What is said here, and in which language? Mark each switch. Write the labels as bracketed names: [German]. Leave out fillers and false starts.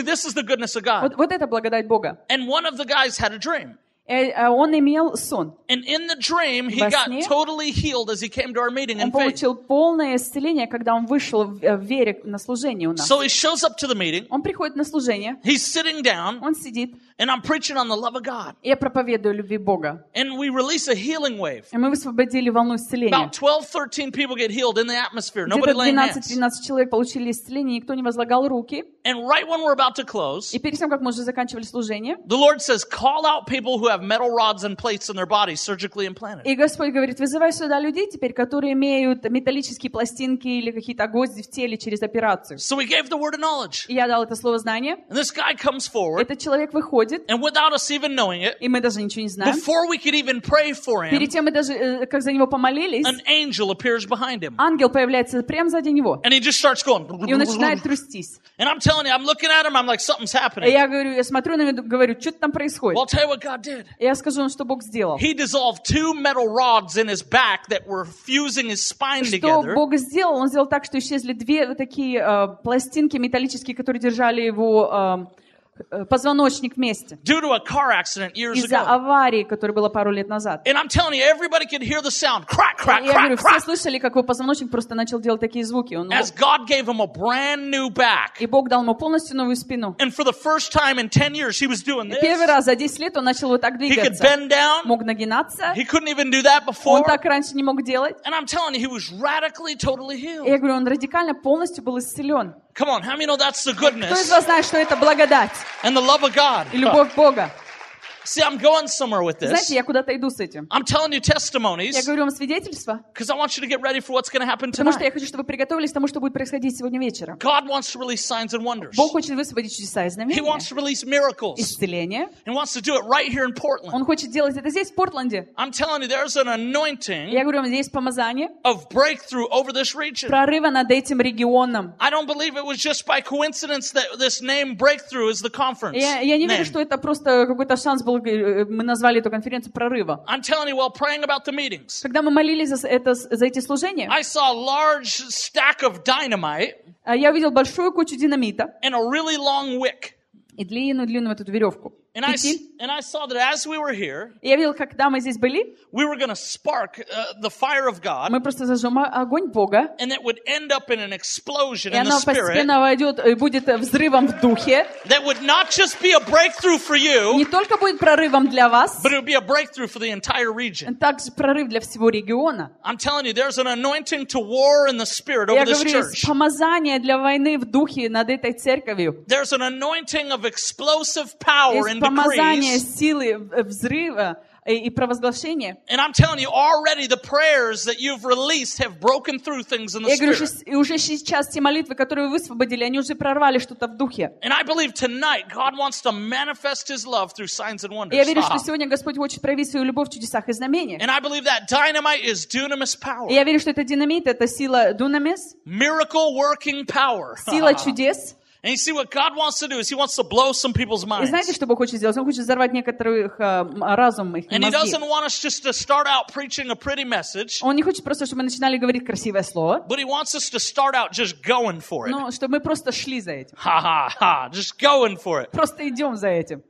[English] See, this is the goodness of God. [Russian] Вот это благодать Бога. [English] And one of the guys had a dream. [Russian] Он имел сон. [English] And in the dream, he got totally healed as he came to our meeting in faith. [Russian] Он получил полное исцеление, когда он вышел в вере на служение у нас. [English] So he shows up to the meeting. [Russian] Он приходит на служение. [English] He's sitting down. [Russian] Он сидит. [English] And I'm preaching on the love of God. [Russian] Я проповедую о любви Бога. [English] And we release a healing wave. [Russian] И мы высвободили волну исцеления. [English] About 12-13 people get healed in the atmosphere. Nobody laying hands. [Russian] 12-13 человек получили исцеление, никто не возлагал руки. [English] And right when we're about to close. [Russian] И перед тем, как мы уже заканчивали служение. [English] The Lord says, call out people who have metal rods and plates in their body surgically implanted. [Russian] И Господь говорит, вызывай сюда людей теперь, которые имеют металлические пластинки или какие-то гвозди в теле через операцию. [English] So we gave the word of knowledge. [Russian] И я дал это слово знания. [English] And this guy comes forward. [Russian] Этот человек выходит. [English] And without us even knowing it, [Russian] и мы даже ничего не знаем. [English] Before we could even pray for him, [Russian] перед тем, мы даже, как за него помолились, [English] an angel appears behind him. [Russian] Ангел появляется прямо сзади него. [English] And he just starts going. [Russian] И он начинает трястись. [English] And I'm telling you, I'm looking at him, I'm like, something's happening. [Russian] И я говорю, я смотрю на него, говорю, что там происходит. [English] Well, I'll tell you what God did. [Russian] Я скажу вам, что Бог сделал. [English] He dissolved two metal rods in his back that were fusing his spine [Russian] что [English] together. [Russian] Что Бог сделал? Он сделал так, что исчезли две такие пластинки металлические, которые держали его позвоночник вместе. [English] Due to a car accident years [Russian] из-за [English] ago. [Russian] Аварии, которая была пару лет назад. [English] And I'm telling you, everybody could hear the sound. Crack, crack, crack, [Russian] говорю, [English] crack. [Russian] Все слышали, как его позвоночник просто начал делать такие звуки. Он... [English] As God gave him a brand new back. [Russian] И Бог дал ему полностью новую спину. [English] And for the first time in 10 years, he was doing this. [Russian] И первый раз за 10 лет он начал вот так двигаться. [English] He could bend down. [Russian] Мог нагинаться. [English] He couldn't even do that before. [Russian] Он так раньше не мог делать. [English] And I'm telling you, he was radically, totally healed. [Russian] Я говорю, он радикально полностью был исцелен. [English] Come on, how many know that's the goodness? [Russian] Кто из вас знает, что это благодать? [English] And the love of God. [Russian] И любовь Бога. [English] See, I'm going somewhere with this. [Russian] Знаете, я куда-то иду с этим. [English] I'm telling you testimonies. [Russian] Я говорю вам свидетельства. [English] Because I want you to get ready for what's going to happen tonight. [Russian] Потому что я хочу, чтобы вы приготовились к тому, что будет происходить сегодня вечером. [English] God wants to release signs and wonders. [Russian] Бог хочет высвободить чудеса и знамения. [English] He wants to release miracles. [Russian] Исцеление. [English] And wants to do it right here in Portland. [Russian] Он хочет делать это здесь, в Портленде. [English] I'm telling you, there's an anointing. [Russian] Я говорю вам, здесь помазание. [English] Of breakthrough over this region. [Russian] Прорыва над этим регионом. [English] I don't believe it was just by coincidence that this name breakthrough is the conference. [Russian] Я не верю, что это просто какой-то шанс. Мы назвали эту конференцию «Прорыва». [English] You, meetings, [Russian] когда мы молились за эти служения, [English] dynamite, [Russian] я увидел большую кучу динамита [English] really [Russian] и длинную эту веревку. [English] And I saw that as we were here, [Russian] и я видел, когда мы здесь были, [English] we were gonna spark, the fire of God, [Russian] мы просто зажжем огонь Бога, [English] and it would end up in an explosion [Russian] и она постепенно войдет и будет взрывом в духе, [English] that would not just be a breakthrough for you, [Russian] не только будет прорывом для вас, [English] but it would be a breakthrough for the entire region. [Russian] Также прорыв для всего региона. [English] I'm telling you, there's an anointing to war in the spirit over this church. [Russian] Я говорю, помазание для войны в духе над этой церковью. [English] There's an anointing of explosive power. [Russian] Есть помазание силы взрыва и провозглашения. [English] And I'm telling you, already the prayers that you've released have broken through things in the spirit. [Russian] Я говорю, уже сейчас те молитвы, которые вы высвободили, они уже прорвали что-то в духе. [English] And I believe tonight God wants to manifest His love through signs and wonders. [Russian] Я верю, что сегодня Господь хочет проявить свою любовь в чудесах и знамениях. [English] And I believe that dynamite is dunamis power. [Russian] Я верю, что это динамит, это сила дунамис. [English] Miracle working power. [Russian] Сила чудес. [English] And you see what God wants to do is He wants to blow some people's minds. [Russian] И знаете, что Бог хочет сделать? Он хочет взорвать некоторых разум их мозги. [English] And He doesn't want us just to start out preaching a pretty message. [Russian] Он не хочет просто, чтобы мы начинали говорить красивое слово. [English] But He wants us to start out just going for it. [Russian] Ну, чтобы мы просто шли за этим. [English] Ha ha ha! Just going for it. [Russian] Просто идем за этим.